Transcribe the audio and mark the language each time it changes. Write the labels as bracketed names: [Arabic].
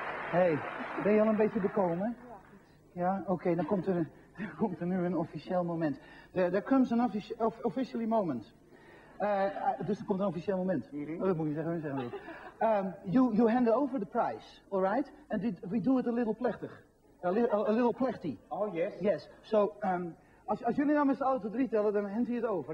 [Dutch] Hey, ben je al een beetje bekomen? Ja. Oké, dan komt er nu een officieel moment. [English] There comes an officially moment. [Dutch] Dus er komt een officieel moment. Dat moet je zeggen. [English] You hand over the prize, all right? And we do it a little [Dutch] plechtig. [English] A little plechty. Oh, yes. Yes. [Dutch] So, Als jullie nou met z'n allen tot drie tellen, dan hent hij het over.